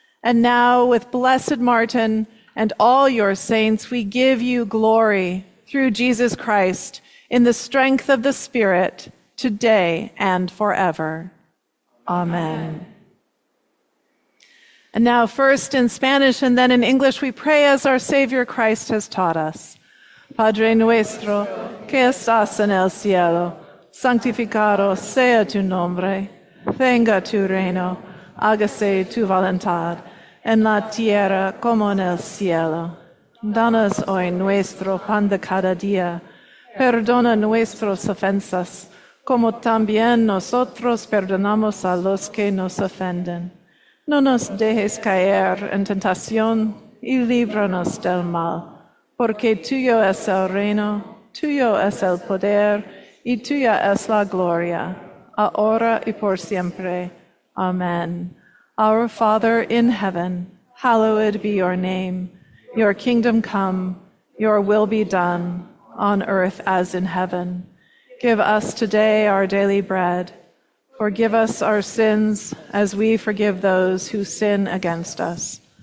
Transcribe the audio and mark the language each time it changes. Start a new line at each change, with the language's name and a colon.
English: And now, with Blessed Martin, and all your saints, we give you glory through Jesus Christ in the strength of the Spirit today and forever. Amen. And now first in Spanish and then in English, we pray as our Savior Christ has taught us.
Spanish: Padre nuestro, que estás en el cielo, santificado sea tu nombre, venga tu reino, hágase tu voluntad, en la tierra como en el cielo. Danos hoy nuestro pan de cada día. Perdona nuestras ofensas, como también nosotros perdonamos a los que nos ofenden. No nos dejes caer en tentación y líbranos del mal. Porque tuyo es el reino, tuyo es el poder y tuya es la gloria, ahora y por siempre. Amén.
English: Our Father in heaven, hallowed be your name. Your kingdom come, your will be done, on earth as in heaven. Give us today our daily bread. Forgive us our sins, as we forgive those who sin against us.